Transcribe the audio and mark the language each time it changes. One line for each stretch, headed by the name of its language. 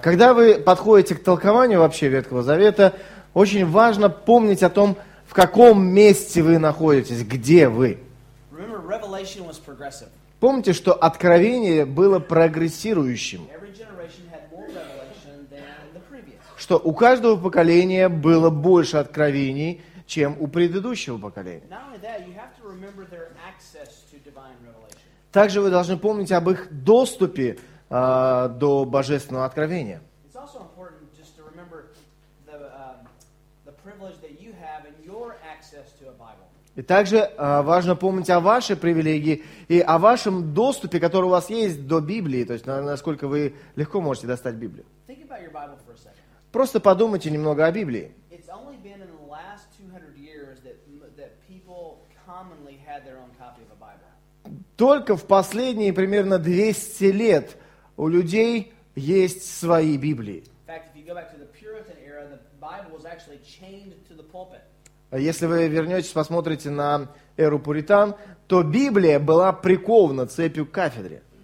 Russian: Когда вы подходите к толкованию вообще Ветхого Завета, очень важно помнить о том, в каком месте вы находитесь, где вы.
English: Remember, Revelation was progressive.
Russian: Помните, что Откровение было прогрессирующим.
English: Every generation had more revelation than the previous.
Russian: Что у каждого поколения было больше откровений, чем у предыдущего поколения.
English: Not only that, you have to remember their access to divine revelation.
Russian: Также вы должны помнить об их доступе до Божественного Откровения.
English: It's also important just to remember the privilege that you have in your access to a Bible.
Russian: И также важно помнить о вашей привилегии и о вашем доступе, который у вас есть до Библии, то есть насколько вы легко можете достать Библию.
English: Think about your Bible for a second.
Russian: Просто подумайте немного о Библии.
English: It's only been in the last 200 years that people commonly had their own copy of a Bible.
Russian: Только в последние примерно 200 лет у людей есть свои Библии.
English: In fact, if you go back to the Puritan era, the Bible was actually chained to the pulpit.
Russian: Если вы вернетесь, посмотрите на эру Пуритан, то Библия была прикована цепью к кафедре.